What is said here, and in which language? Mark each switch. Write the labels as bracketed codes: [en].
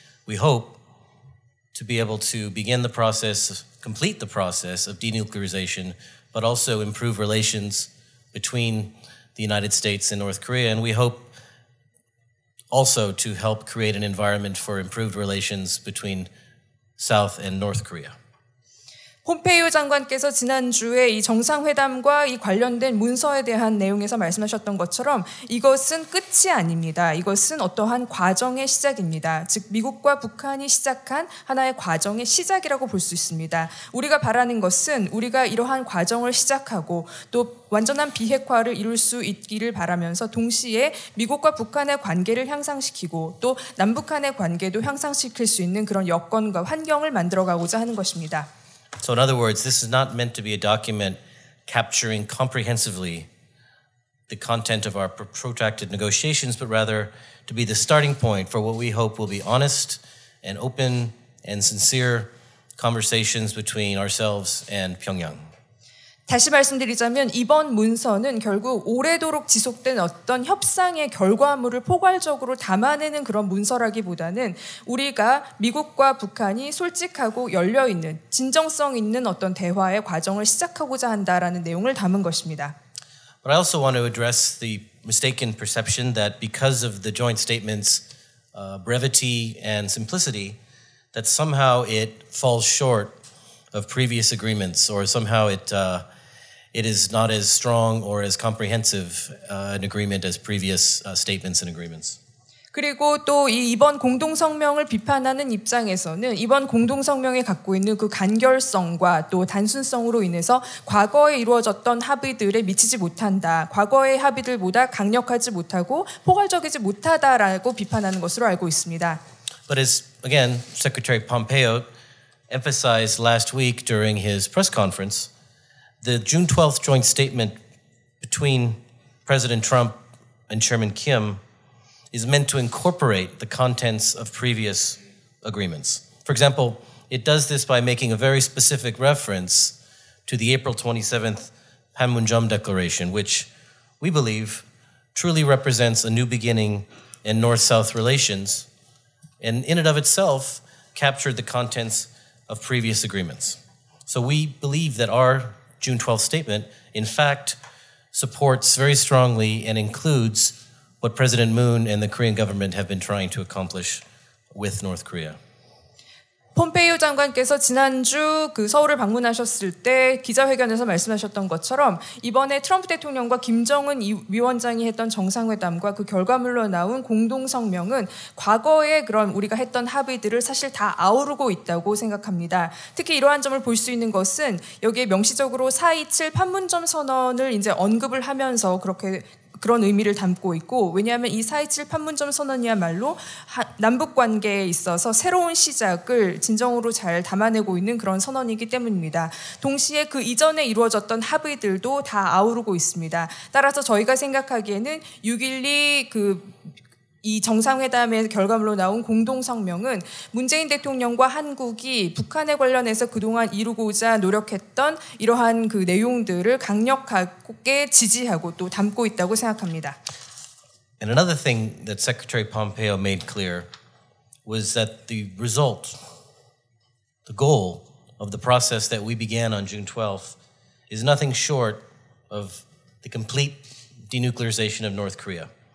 [en] We hope to be able to begin the process, complete the process of denuclearization, but also improve relations between the United States and North Korea. And we hope also to help create an environment for improved relations between South and North Korea. [ko] 폼페이오 장관께서 지난주에 이 정상회담과 이 관련된 문서에 대한 내용에서 말씀하셨던 것처럼 이것은 끝이 아닙니다. 이것은 어떠한 과정의 시작입니다. 즉 미국과 북한이 시작한 하나의 과정의 시작이라고 볼 수 있습니다. 우리가 바라는 것은 우리가 이러한 과정을 시작하고 또 완전한 비핵화를 이룰 수 있기를 바라면서 동시에 미국과 북한의 관계를 향상시키고 또 남북한의 관계도 향상시킬 수 있는 그런 여건과 환경을 만들어가고자 하는 것입니다. [en] So in other words, this is not meant to be a document capturing comprehensively the content of our protracted negotiations, but rather to be the starting point for what we hope will be honest and open and sincere conversations between ourselves and Pyongyang. [ko] 다시 말씀드리자면 이번 문서는 결국 오래도록 지속된 어떤 협상의 결과물을 포괄적으로 담아내는 그런 문서라기보다는 우리가 미국과 북한이 솔직하고 열려있는 진정성 있는 어떤 대화의 과정을 시작하고자 한다라는 내용을 담은 것입니다. [en] But I also want to address the mistaken perception that because of the joint statement's brevity and simplicity that somehow it falls short of previous agreements, or somehow it is not as strong or as comprehensive an agreement as previous statements and agreements. [ko] 그리고 또 이번 공동성명을 비판하는 입장에서는 이번 공동성명이 갖고 있는 그 간결성과 또 단순성으로 인해서 과거에 이루어졌던 합의들에 미치지 못한다. 과거의 합의들보다 강력하지 못하고 포괄적이지 못하다라고 비판하는 것으로 알고 있습니다. [en] But as again, Secretary Pompeo emphasized last week during his press conference, the June 12th joint statement between President Trump and Chairman Kim is meant to incorporate the contents of previous agreements. For example, it does this by making a very specific reference to the April 27th Panmunjom Declaration, which we believe truly represents a new beginning in North-South relations, and in and of itself captured the contents of previous agreements. So we believe that our June 12th statement, in fact, supports very strongly and includes what President Moon and the Korean government have been trying to accomplish with North Korea. [ko] 폼페이오 장관께서 지난주 그 서울을 방문하셨을 때 기자회견에서 말씀하셨던 것처럼 이번에 트럼프 대통령과 김정은 위원장이 했던 정상회담과 그 결과물로 나온 공동성명은 과거에 그런 우리가 했던 합의들을 사실 다 아우르고 있다고 생각합니다. 특히 이러한 점을 볼 수 있는 것은 여기에 명시적으로 4.27 판문점 선언을 이제 언급을 하면서 그렇게 그런 의미를 담고 있고 왜냐하면 이 4.27 판문점 선언이야말로 남북관계에 있어서 새로운 시작을 진정으로 잘 담아내고 있는 그런 선언이기 때문입니다. 동시에 그 이전에 이루어졌던 합의들도 다 아우르고 있습니다. 따라서 저희가 생각하기에는 6.12 그 이 정상회담의 결과물로 나온 공동성명은 문재인 대통령과 한국이 북한에 관련해서 그동안 이루고자 노력했던 이러한 그 내용들을 강력하게 지지하고 또 담고 있다고 생각합니다. [en] And another thing that Secretary Pompeo made clear was that the result, the goal of the process that we began on June 12th is nothing short of the complete denuclearization of North Korea.